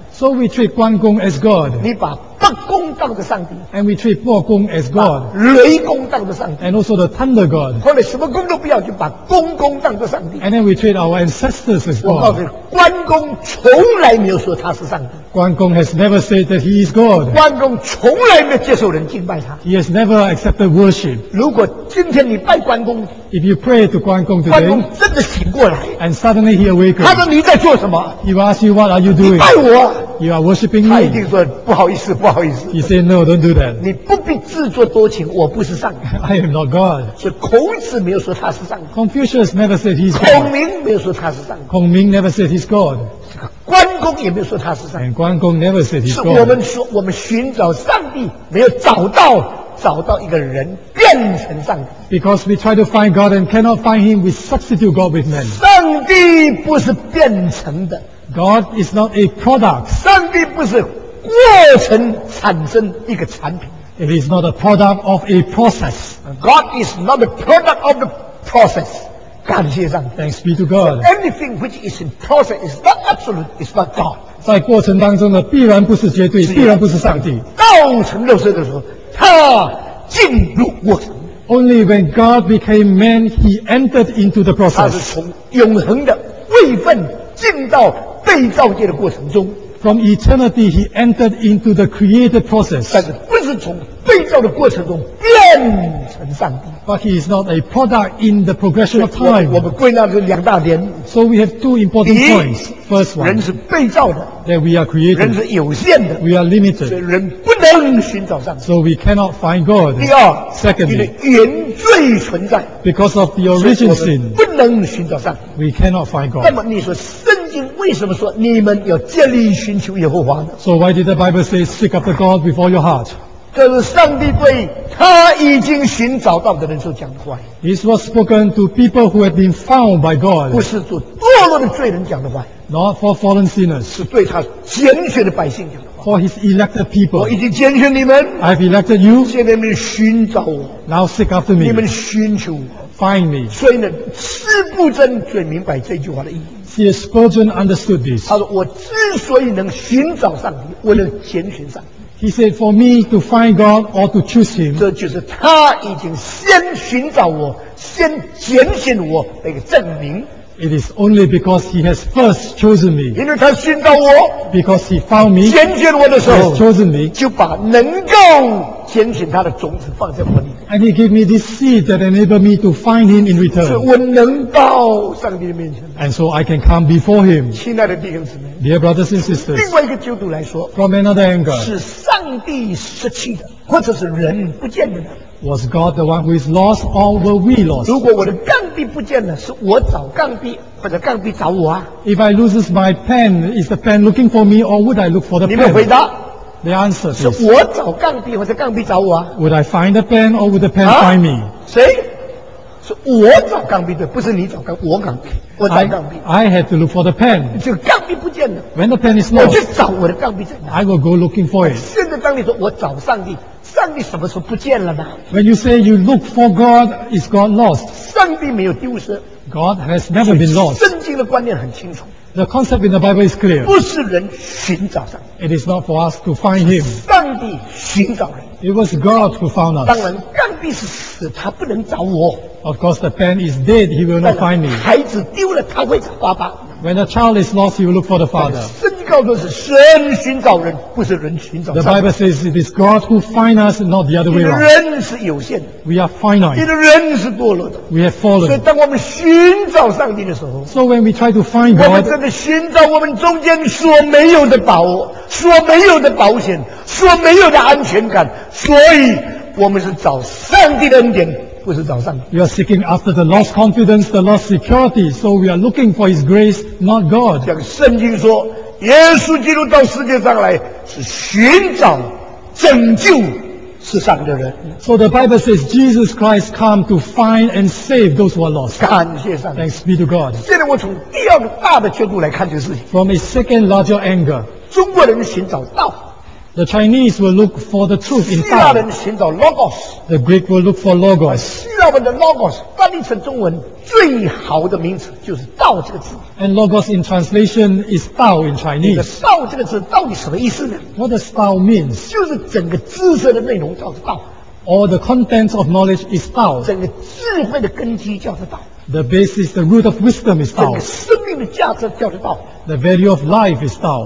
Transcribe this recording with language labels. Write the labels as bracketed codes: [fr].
[en] So we treat 关公 as God. [zh] 你把八公当作上帝。 [en] And we treat 八公 as God. [zh] 雷公当作上帝。 [en] And also the thunder God. [zh] 后来什么公都不要，就把公公当作上帝。 [en] And then we treat our ancestors as God. [zh] 我告诉你，关公从来没有说他是上帝。 [en] 关公 has never said that he is God. [zh] 关公从来没有接受人敬拜他。 [en] He has never accepted worship. [zh] 如果今天你拜关公， [en] If you pray to 关公 today, [zh] 关公真的醒过来。 [en] And suddenly he awakens. [zh] 他说你在做什么？ [en] He will ask you, what are you doing? [zh] 你拜我。 [en] You are worshiping me. [zh] 他一定说不好意思，不好意思。 [en] He said, no, don't do that. [zh] 你不必自作多情，我不是上帝。 [en] I am not God. [zh] 所以孔子没有说他是上帝。 [en] Confucius never said he's God. [zh] 孔明没有说他是上帝。 [en] 孔明 never said he's God. [zh] 关公也没有说他是上帝。 [en] And 关公 never said he's God. [zh] 是我们说我们寻找上帝，没有找到一个人变成上帝。 [en] Because we try to find God and cannot find him, we substitute God with man. [zh] 上帝不是变成的。 [en] God is not a product. [zh] 上帝不是过程产生一个产品。 [en] It is not a product of a process. God is not a product of the process. [zh] 感谢上帝。 [en] Thanks be to God. Anything which is in process is not absolute, is not God. [zh] 在过程当中呢，必然不是绝对，必然不是上帝。道成肉身的时候，他进入过程。 [en] Only when God became man, he entered into the process. [zh] 他是从永恒的位分进到被造界的过程中。 [en] From eternity he entered into the created process. [zh] 但是不是从被造的过程中变成上帝。 [en] But he is not a product in the progression of time. [zh] 我们归纳了两大点。 [en] So we have two important points. First one, [zh] 人是被造的。 [en] That we are created. [zh] 人是有限的。 [en] We are limited. [zh] 所以人不能寻找上帝。 [en] So we cannot find God. [zh] 第二， [en] Secondly, [zh] 因为原罪存在。 [en] Because of the origin sin, [zh] 不能寻找上帝。 [en] We cannot find God. [zh] 那么你说为什么说你们要竭力寻求耶和华呢？ [en] So why did the Bible say seek after God with all your heart? [zh] 这是上帝对他已经寻找到的人所讲的话。 [en] This was spoken to people who had been found by God. [zh] 不是做堕落的罪人讲的话。 [en] Not for fallen sinners. [zh] 是对他拣选的百姓讲的话。 [en] For his elected people. [zh] 我已经拣选你们。 [en] I've elected you. [zh] 现在你们寻找我。 [en] Now seek after me. [zh] 你们寻求我。 [en] Find me. [zh] 所以呢，施布真最明白这句话的意义。 [en] C.S. Spurgeon understood this. [zh] 他说：“我之所以能寻找上帝，为了拣选上帝。” [en] He said, "For me to find God or to choose Him." [zh] 这就是他已经先寻找我，先拣选我的一个证明。 [en] It is only because He has first chosen me. [zh] 因为他寻找我 [en] ，because He found me. [zh] 拣选我的时候 [en] ，He has chosen me. [zh] 就把能够拣选他的种子放在我里。 [en] And He gave me this seed that enabled me to find Him in return. [zh] 我能到上帝的面前。 [en] And so I can come before Him. [zh] 亲爱的弟兄姊妹 [en] ，Dear brothers and sisters. [zh] 另外一个角度来说 [en] ，From another angle, [zh] 是上帝失去的，或者是人不见的。 [en] Was God the one who is lost, or were we lost? [zh] 如果我的钢笔不见了，是我找钢笔，或者钢笔找我啊 [en] ？If I lose my pen, is the pen looking for me, or would I look for the pen? [zh] 你们回答。 [en] The answer is, [zh] 是我找钢笔或者钢笔找我啊。 [en] Would I find the pen or would the pen find me? [zh] 谁？是我找钢笔的，不是你找钢，我钢笔，我找钢笔。 [en] I had to look for the pen. [zh] 这个钢笔不见了。 [en] When the pen is lost, [zh] 我就找我的钢笔在哪。 [en] I will go looking for it. [zh] 现在当你说我找上帝，上帝什么时候不见了呢 [en] ？When you say you look for God, is God lost? [zh] 上帝没有丢失。 [en] God has never been lost. [zh] 圣经的观念很清楚。 [en] The concept in the Bible is clear. [zh] 不是人寻找上帝。 [en] It is not for us to find him. [zh] 上帝寻找人。 [en] It was God who found us. [zh] 当然，钢笔是死，他不能找我。 [en] Of course, the pen is dead. He will not find me. [zh] 孩子丢了，他会找爸爸。 [en] When a child is lost, he will look for the father. [zh] 圣经告诉是神寻找人，不是人寻找。 [en] The Bible says it is God who finds us, not the other way around. [zh] 人是有限的。 [en] We are finite. [zh] 你的人是堕落的。 [en] We have fallen. [zh] 所以当我们寻找上帝的时候 [en] ，So when we try to find God, [zh] 我们真的寻找我们中间所没有的宝，所没有的保险，所没有的安全感。所以我们是找上帝的恩典。不是找上帝。 [en] You are seeking after the lost confidence, the lost security. So we are looking for His grace, not God. [zh] 像圣经说，耶稣基督到世界上来是寻找拯救世上的人。 [en] So the Bible says Jesus Christ came to find and save those who are lost. [zh] 感谢上帝。 [en] Thanks be to God. [zh] 现在我从第二个大的角度来看这个事情。 [en] From a second larger angle, [zh] 中国人寻找道。 [en] The Chinese will look for the truth in God. [zh] 希腊人寻找 logos. [en] The Greek will look for logos. [zh] 希腊文的 logos 翻译成中文最好的名词就是道这个字。 [en] And logos in translation is 道 in Chinese. [zh] 这个道这个字到底什么意思呢？ [en] What does 道 mean? [zh] 就是整个知识的内容叫做道。 [en] All the contents of knowledge is 道。 [zh] 整个智慧的根基叫做道。 [en] The basis, the root of wisdom is 道。 [zh] 整个生命的价值叫做道。 [en] The value of life is 道。